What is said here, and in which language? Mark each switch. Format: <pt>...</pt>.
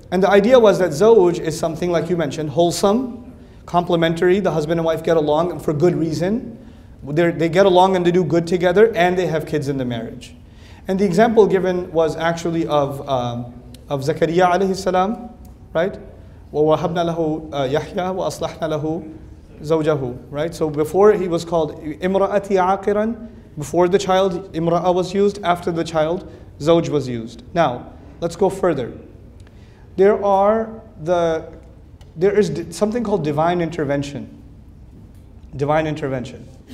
<en>And the idea was that zawj is something, like you mentioned, wholesome, complementary, the husband and wife get along and for good reason. They get along and they do good together, and they have kids in the marriage. And the example given was actually of Zakariya alayhi salam, right?</en> <ar>وَوَهَبْنَا لَهُ يَحْيَا وَأَصْلَحْنَا لَهُ زَوْجَهُ, right?</ar> <en>So before he was called</en> <ar>إِمْرَأَتِي عَاقِرًا,</ar> <en>before the child, إِمْرَأَ was used, after the child, زَوْج was used. Now, let's go further. There is something called divine intervention. Divine intervention.</en>